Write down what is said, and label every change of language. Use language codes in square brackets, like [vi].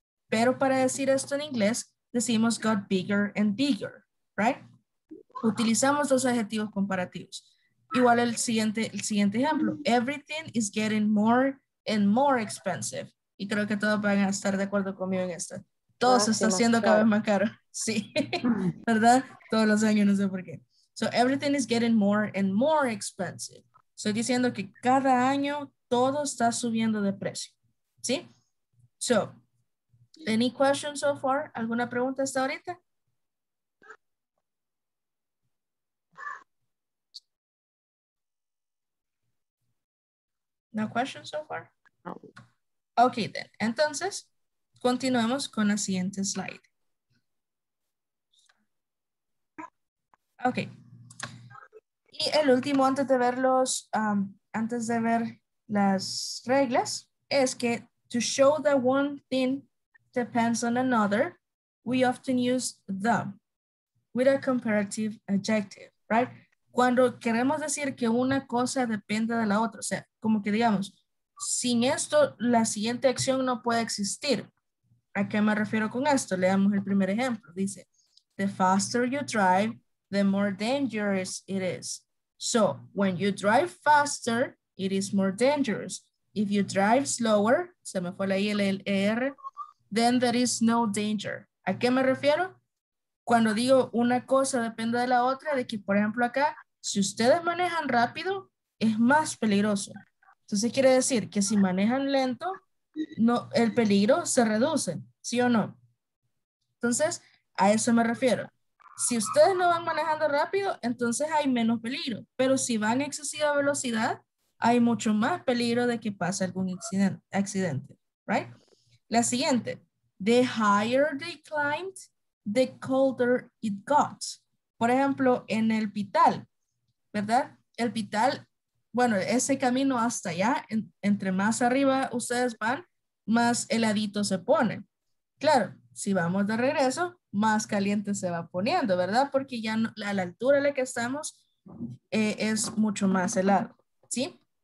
[es] Pero para decir esto en inglés, decimos [en] got bigger and bigger, [es] right? Utilizamos dos adjetivos comparativos. Igual el siguiente ejemplo. [en] Everything is getting more and more expensive. [es] Y creo que todos van a estar de acuerdo conmigo en esto. Todo se está haciendo cada vez más caro. Sí, ¿verdad? Todos los años, no sé por qué. [en] So everything is getting more and more expensive. [es] Estoy diciendo que cada año todo está subiendo de precio. [en] ¿Sí? So, any questions so far? [es] ¿Alguna pregunta hasta ahorita? [en] No questions so far? No. Okay, then. [es] Entonces, continuemos con la siguiente slide. [en] Okay. [es] Y el último, antes de ver los, antes de ver las reglas, es que [en] to show that one thing depends on another, we often use the with a comparative adjective, right? [es] Cuando queremos decir que una cosa depende de la otra, o sea, como que digamos, sin esto, la siguiente acción no puede existir. ¿A qué me refiero con esto? Leamos el primer ejemplo. Dice, [en] the faster you drive, the more dangerous it is. So, when you drive faster, it is more dangerous. If you drive slower, [es] se me fue la ILLER, [en] then there is no danger. [es] ¿A qué me refiero? Cuando digo una cosa depende de la otra, de que, por ejemplo, acá, si ustedes manejan rápido, es más peligroso. Entonces, quiere decir que si manejan lento, no, el peligro se reduce, ¿sí o no? Entonces, a eso me refiero. Si ustedes no van manejando rápido, entonces hay menos peligro. Pero si van a excesiva velocidad, hay mucho más peligro de que pase algún accidente, right? La siguiente. [en] The higher they climbed, the colder it got. [es] Por ejemplo, en el Pital, ¿verdad? El Pital, bueno, ese camino hasta allá, entre más arriba ustedes van, más heladito se pone. Claro, si vamos de regreso, más caliente se va poniendo, ¿verdad? Porque ya no, a la altura en la que estamos es mucho más helado, ¿sí?